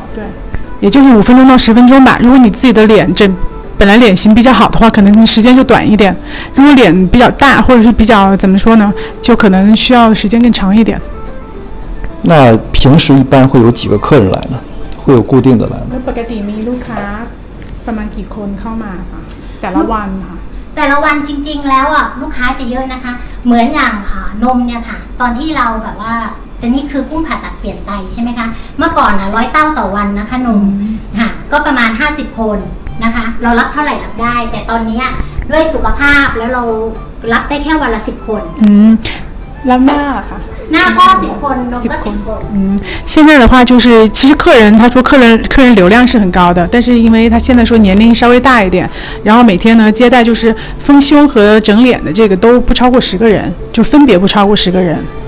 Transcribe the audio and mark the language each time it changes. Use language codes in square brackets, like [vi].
[zh] 对，也就是5分钟到10分钟吧。如果你自己的脸本来脸型比较好的话，可能时间就短一点；如果脸比较大，或者是比较怎么说呢，就可能需要时间更长一点。那平时一般会有几个客人来呢？会有固定的来吗？ [th] ปกติมีลูกค้าประมาณกี่คนเข้ามาคะแต่ละวันค่ะ แต่ละวันจริงๆแล้วอ่ะลูกค้าจะเยอะนะคะเหมือนอย่างค่ะนมเนี่ยค่ะตอนที่เราแบบว่าแต่นี่คือกุ้งผ่าตัดเปลี่ยนไตใช่ไหมคะเมื่อก่อนอ่ะ100 เต้าต่อวันนะคะนมค่ะก็ประมาณ50 คนนะคะเรารับเท่าไหร่รับได้แต่ตอนนี้ด้วยสุขภาพแล้วเรารับได้แค่วันละ10 คน แล้วหน้าค่ะ หน้าก็10 คนนมก็10 คน [zh] 现在的话就是其实客人他说客人流量是很高的，但是因为他现在说年龄稍微大一点，然后每天呢接待就是丰胸和整脸的这个都不超过10个人，就分别不超过10个人。